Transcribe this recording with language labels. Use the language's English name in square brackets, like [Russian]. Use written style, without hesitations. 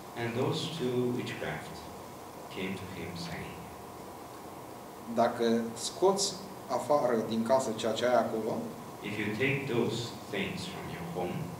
[English] And those two witchcraft came to him saying, [Romanian] dacă scoți afară din casă ceea ce ai acolo, [English] if you take those things from your home,